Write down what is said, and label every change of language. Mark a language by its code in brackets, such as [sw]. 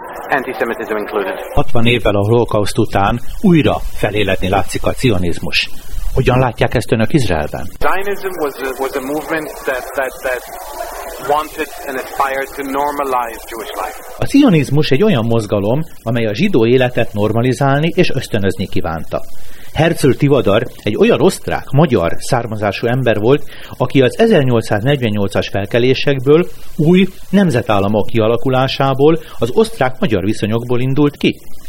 [hu] 60 évvel a holokauszt után újra feléletni látszik a cionizmus. Hogyan látják ezt önök Izraelben? [en] Zionism was a movement that wanted and aspired to normalize Jewish life. [hu] A cionizmus egy olyan mozgalom, amely a zsidó életet normalizálni és ösztönözni kívánta. Herzl Tivadar egy olyan osztrák, magyar származású ember volt, aki az 1848-as felkelésekből, új nemzetállamok kialakulásából, az osztrák-magyar viszonyokból indult ki.